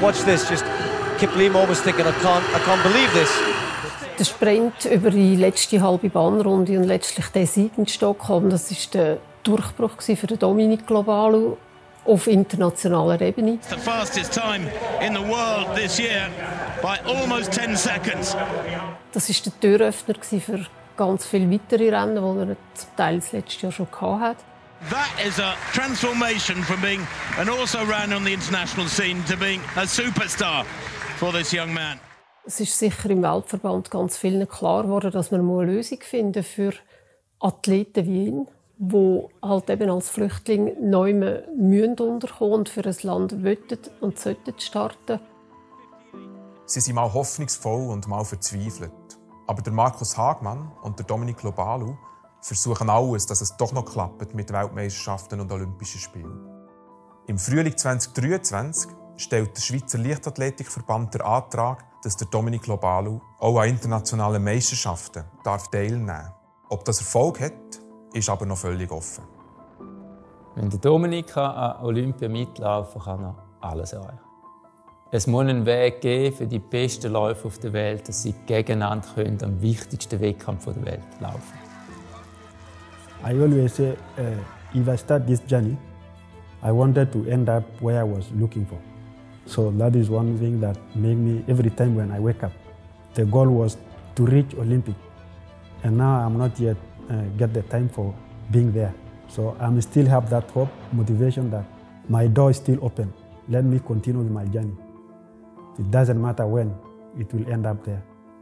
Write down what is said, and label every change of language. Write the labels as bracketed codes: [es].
[en] Watch this, just Kiplimo was thinking, I can't believe this. [de] Der Sprint über die letzte halbe Bahnrunde und letztlich der Sieg in Stockholm, das war der Durchbruch für den Dominik Lobalu. Auf internationaler Ebene. [en] The fastest time in the world this year by almost 10 seconds. [de] Das war der Türöffner für ganz viele weitere Rennen, die er zum Teil das letzte Jahr schon hatte. [en] That is a transformation from being an also ran on the international scene to being a superstar for this young man. [de] Es ist sicher im Weltverband ganz vielen klar geworden, dass man eine Lösung finden muss für Athleten wie ihn. Wo halt eben als Flüchtling neu mühen unterkommen und für ein Land wollen und sollten starten. Sie sind mal hoffnungsvoll und mal verzweifelt. Aber der Markus Hagmann und der Dominik Lobalu versuchen alles, dass es doch noch klappt mit Weltmeisterschaften und Olympischen Spielen. Im Frühling 2023 stellt der Schweizer Leichtathletikverband den Antrag, dass der Dominik Lobalu auch an internationalen Meisterschaften darf teilnehmen darf. Ob das Erfolg hat, ist aber noch völlig offen. Wenn der Dominik an Olympia mitlaufen kann, kann er alles erreichen. Es muss einen Weg geben für die besten Läufer auf der Welt, dass sie gegeneinander können, am wichtigsten Wettkampf der Welt laufen. [en] I always say, if I start this journey, I wanted to end up where I was looking for. So that is one thing that made me every time when I wake up. The goal was to reach Olympic. And now I'm not yet. Get the time for being there. So I still have that hope, motivation that my door is still open. Let me continue with my journey. It doesn't matter when it will end up there.